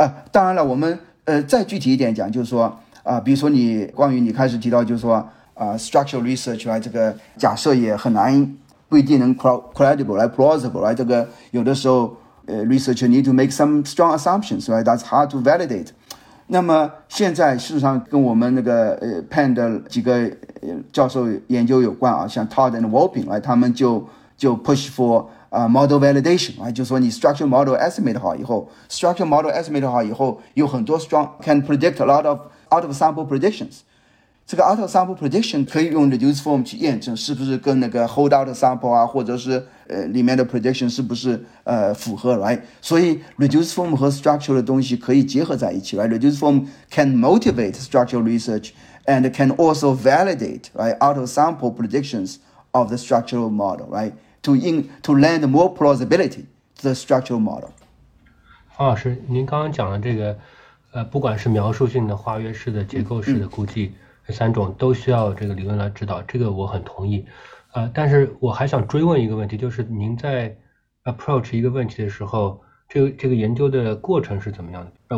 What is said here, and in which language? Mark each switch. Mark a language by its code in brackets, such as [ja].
[zh] 当然了，我们再具体一点讲就是说比如说你关于你开始提到就是说structural research 来这个假设也很难，不一定能 credible 来 plausible 来这个有的时候 [en] research need to make some strong assumptions， right？ That's hard to validate。 [zh] 那么现在事实上跟我们那个Penn 的几个教授研究有关啊，像 Todd and Wolpin， right？他们就 [en] push for model validation， right？ [zh] 就说你 structural model estimate 好以后， structural model estimate 好以后有很多 [en] strong can predict a lot of out of sample predictions， [zh] 这个 out of sample prediction 可以用 reduce form 去验证是不是跟那个 hold out sample 啊，或者是里面的 prediction 是不是符合， right？所以 reduce form 和 structure 的东西可以结合在一起， right？ [en] reduce form can motivate structural research and can also validate, right, out-of-sample predictions of the structural model, right, to lend more plausibility to the structural model. [zh] 方老师，您刚刚讲的这个，不管是描述性的、化约式的、结构式的估计，三种都需要这个理论来指导，这个我很同意。但是我还想追问一个问题，就是您在 approach 一个问题的时候，这个研究的过程是怎么样的？